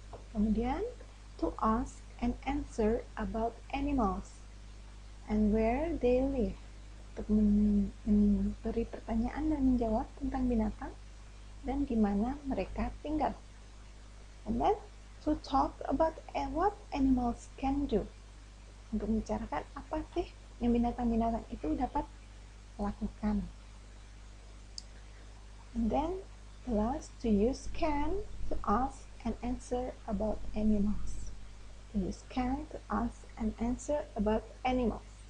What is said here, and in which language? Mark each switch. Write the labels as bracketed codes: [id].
[en] Kemudian, to ask and answer about animals and where they live. [id] Untuk memberi pertanyaan dan menjawab tentang binatang dan di mana mereka tinggal. [en] And then, to talk about what animals can do. [id] Untuk membicarakan apa sih yang binatang-binatang itu dapat lakukan. [en] And then, the last, to use can to ask and answer about animals. To use can to ask and answer about animals.